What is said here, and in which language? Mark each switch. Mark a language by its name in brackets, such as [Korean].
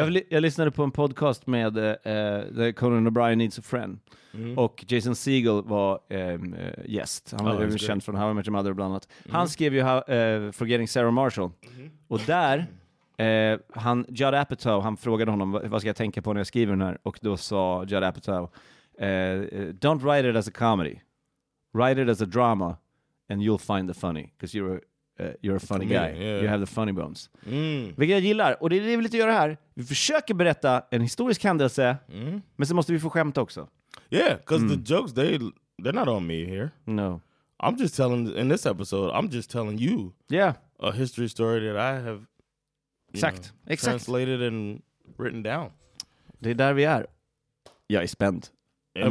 [Swedish] Jag lyssnade på en podcast med Conan O'Brien Needs a Friend. Mm-hmm. Och Jason Segel var gäst. Han var även känd från How I Met Your Mother bland annat. Mm-hmm. Han skrev ju Forgetting Sarah Marshall. Mm-hmm. Och där, Judd Apatow, han frågade honom, vad ska jag tänka på när jag skriver den här? Och då sa Judd Apatow, [English] don't write it as a comedy. Write it as a drama and you'll find the funny. Because you're a funny guy. Yeah. You have the funny bones. Mm. [Swedish] Vilket jag gillar. Och det är det vi lite gör här. Vi försöker berätta en historisk händelse. Mm. Men sen måste vi få skämt också. [English] Yeah, because the jokes, they're not on me here. No. I'm just telling, in this episode, I'm just telling you a history story that I have translated and written down. [Swedish] Det är där vi är. Jag är spänd. [English] Yeah,